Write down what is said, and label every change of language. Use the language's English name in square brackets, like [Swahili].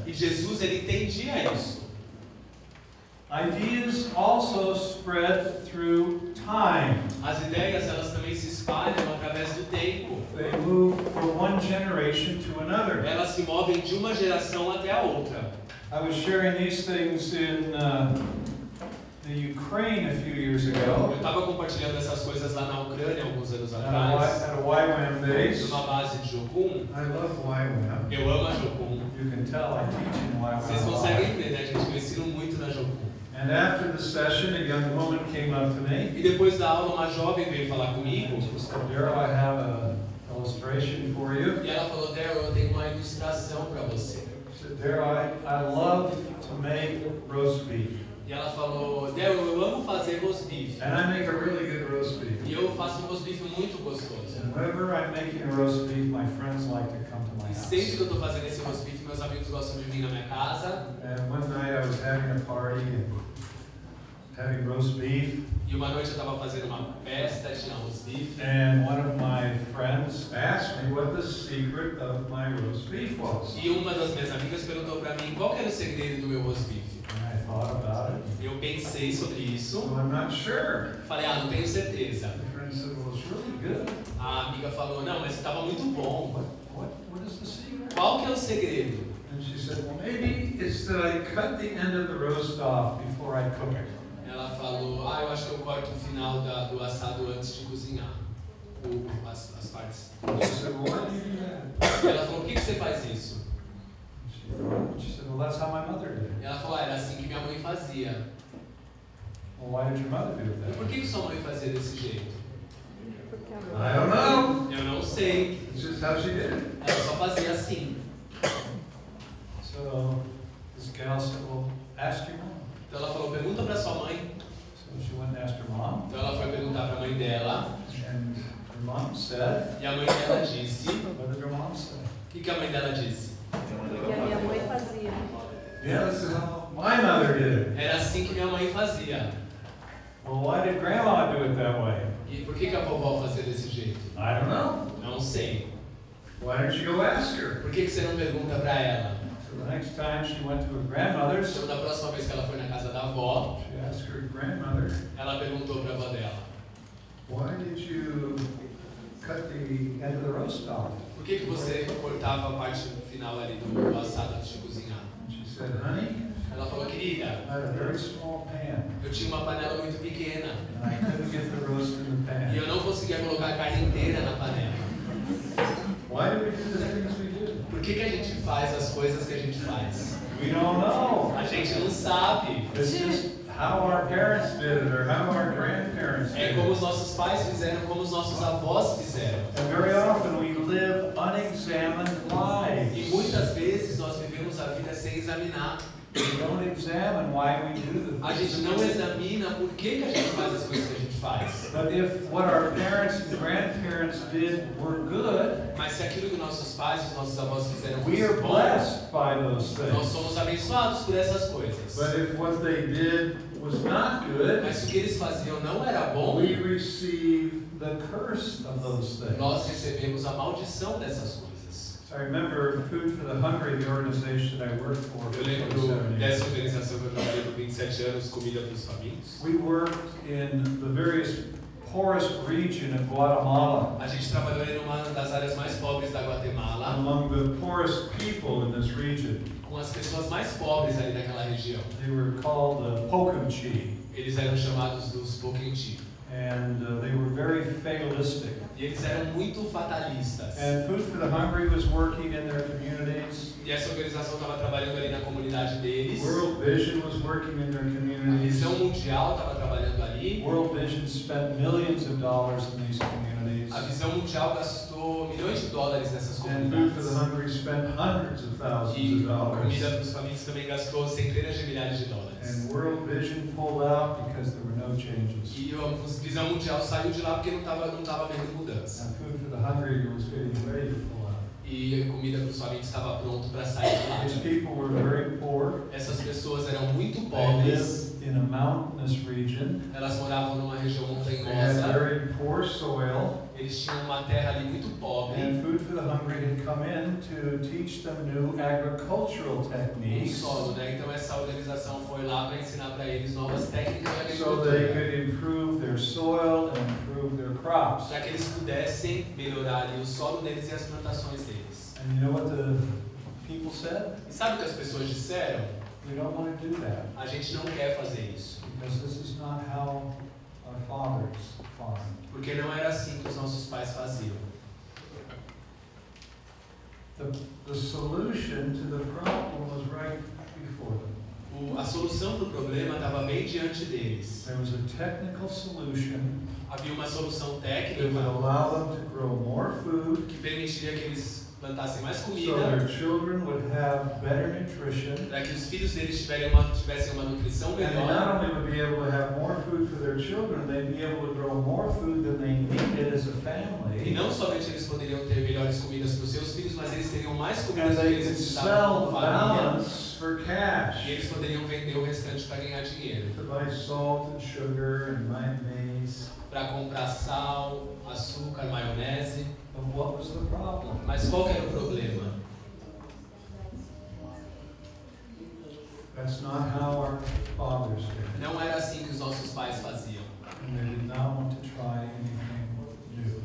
[Portuguese] E Jesus ele entendia isso. [English] Ideas also spread through time. [Portuguese] As ideias elas também se espalham através do tempo. [English] They move from one generation to another. [Portuguese] Elas se movem de uma geração até a outra. [English] I was sharing these things in the Ukraine a few years ago. [Portuguese] Eu estava compartilhando essas coisas lá na Ucrânia alguns anos atrás. [English] At a YWAM base. [Portuguese] Numa base de Jokun. [English] I love YWAM. [Portuguese] Eu amo a Jokun. [English] You can tell I teach in YWAM. [Portuguese] Vocês conseguem entender, né? A gente ensina muito na Jokun. [English] And after the session, a young woman came up to me. [Portuguese] E depois da aula, uma jovem veio falar comigo. [English] She said, "Daryl, I have an illustration for you." [Portuguese] E ela falou, "Daryl, eu tenho uma ilustração para você." [English] I love to make roast beef. [Portuguese] E ela falou, Daryl, eu amo fazer roast beef. [English] And I make a really good roast beef. [Portuguese] E eu faço um roast beef muito gostoso. [English] And whenever I'm making roast beef, my friends like to come to my house. [Portuguese] Sempre que eu estou fazendo esse roast beef, meus amigos gostam de vir na minha casa. [English] And one night I was having a party and having roast beef. [Portuguese] E uma noite eu estava fazendo uma festa de roast beef. [English] And one of my friends asked me what the secret of my roast beef was. [Portuguese] E uma das minhas amigas perguntou para mim qual era o segredo do meu roast beef. [English] And I thought about it. [Portuguese] Eu pensei sobre isso. [English] So I'm not sure. [Portuguese] Falei, não tenho certeza. [English] My friend said, well, it's really good. [Portuguese] A amiga falou, não, mas estava muito bom. [English] What is the secret? [Portuguese] Qual que é o segredo? [English] And she said, well, maybe it's that I cut the end of the roast off before I cook it. [Portuguese] Ela falou, eu acho que eu corto o final do assado antes de cozinhar, as partes. Ela falou, o que você faz isso? [English] She said, well, that's how my mother did. [Portuguese] Ela falou, era assim que minha mãe fazia. [English] Well, why did your mother do that? [Portuguese] Por que sua mãe fazia desse jeito? [English] I don't know. [Portuguese] Eu não sei. [English] It's just how she did. [Portuguese] Ela só fazia assim. [English] So, this girl said, well, ask your mom. [Portuguese] Então ela falou, pergunta para sua mãe. [English] So she went and asked her mom. [Portuguese] Então ela foi perguntar para a mãe dela. [English] And her mom said, [Portuguese] e a mãe dela disse. [English] What did your mom say? [Portuguese] Que a mãe dela disse? Que a minha mãe fazia. [English] Yeah, this is how my mother did. [Portuguese] Era assim que minha mãe fazia. [English] Well, why did grandma do it that way? [Portuguese] E por que a vovó fazia desse jeito? [English] I don't know. [Portuguese] Não sei. [English] Why don't you go ask her? [Portuguese] Por que você não pergunta para ela? [English] The next time she went to her grandmother's. [Portuguese] Então, da próxima vez que ela foi na casa da avó, [English] she asked her grandmother. [Portuguese] Ela perguntou para a avó dela. [English] Why did you cut the end of the roast off? [Portuguese] Por que você cortava a parte final ali do assado antes de cozinhar? [English] She said, honey. [Portuguese] Ela falou, querida. [English] I had a very small pan. [Portuguese] Eu tinha uma panela muito pequena. [English] And I couldn't get the roast in the pan. [Portuguese] E eu não conseguia colocar a carne inteira na panela. [English] Why do we do the things we do? [Portuguese] Por que a gente faz as coisas que a gente faz? [English] We don't know. [Portuguese] A gente não sabe. [English] It's just how our parents did it, or how our grandparents did it. [Portuguese] É como os nossos pais fizeram, como os nossos avós fizeram. [English] And very often we live unexamined lives. [Portuguese] E muitas vezes nós vivemos a vida sem examinar. [English] We don't examine why we do the [Portuguese] things. A gente não examina por que a gente faz as coisas que a gente faz. [English] But if what our parents and grandparents did were good, [Portuguese] mas se aquilo que nossos pais e nossos avós fizeram, [English] we are blessed by those things. [Portuguese] Nós somos abençoados por essas coisas. [English] But if what they did was not good, [Portuguese] mas se o que eles faziam não era bom, [English] we receive the curse of those things. [Portuguese] Nós recebemos a maldição dessas coisas. [English] I remember Food for the Hungry, the organization I worked for. [Portuguese] Eu lembro dessa organização que eu trabalhei por 27 anos, Comida para os Famintos. [English] We worked in the various poorest region of Guatemala. [Portuguese] A gente trabalhou em uma das áreas mais pobres da Guatemala. [English] Among the poorest people in this region. [Portuguese] Com as pessoas mais pobres ali daquela região. [English] They were called the Pokinchi. [Portuguese] Eles eram chamados dos Pokinchi. [English] And they were very fatalistic. [Portuguese] E eles eram muito fatalistas. [English] And Food for the Hungry was working in their communities. [Portuguese] E essa organização estava trabalhando ali na comunidade deles. [English] World Vision was working in their communities. [Portuguese] A Visão Mundial estava trabalhando ali. aí. [English] World Vision spent millions of dollars in these communities. [Portuguese] A Visão Mundial gastou milhões de dólares nessas comunidades. [English] And Food for the Hungry spent hundreds of thousands of dollars. [Portuguese] E Comida para os Famintos também gastou centenas de milhares de dólares. [English] And World Vision pulled out because there were no changes. [Portuguese] E a Visão Mundial saiu de lá porque não tava vendo mudança. [English] And Food for the Hungry was getting ready to pull out. [Portuguese] E a Comida para os Famintos estava pronto para sair de lá. [English] These people were very poor. [Portuguese] Essas pessoas eram muito pobres. [English] In a mountainous region. [Portuguese] Elas moravam numa região montanhosa. [English] They had very poor soil. [Portuguese] Eles tinham uma terra ali muito pobre. [English] And Food for the Hungry had come in to teach them new agricultural techniques. [Portuguese] Solo, né? Então essa organização foi lá para ensinar para eles novas técnicas de agricultura. [English] So they could improve their soil and improve their crops. [Portuguese] Para que eles pudessem melhorar ali o solo deles e as plantações deles. [English] And you know what the people said? [Portuguese] E sabe o que as pessoas disseram? [English] We don't want to do that. [Portuguese] A gente não quer fazer isso. [English] Because this is not how our fathers farmed. [Portuguese] Porque não era assim que os nossos pais faziam. [English] The solution to the problem was right before them. [Portuguese] A solução para o problema estava bem diante deles. [English] There was a technical solution. [Portuguese] Havia uma solução técnica. [English] That would allow them to grow more food. [Portuguese] Que permitiria que eles plantassem mais comida. [English] So their children would have better nutrition. [Portuguese] Para que os filhos deles tivessem uma nutrição melhor. [English] And not only would be able to have more food for their children, they'd be able to grow more food than they needed as a family. [Portuguese] E não somente eles poderiam ter melhores comidas para os seus filhos, mas eles teriam mais comidas para eles estarem com a família. E eles poderiam vender o restante para ganhar dinheiro. [English] To buy salt and sugar and mayonnaise. [Portuguese] Para comprar sal, açúcar, maionese. [English] But what was the problem? [Portuguese] Mas qual era o problema? [English] That's not how our fathers did. [Portuguese] Não era assim que os nossos pais faziam. [English] And they did not want to try anything new.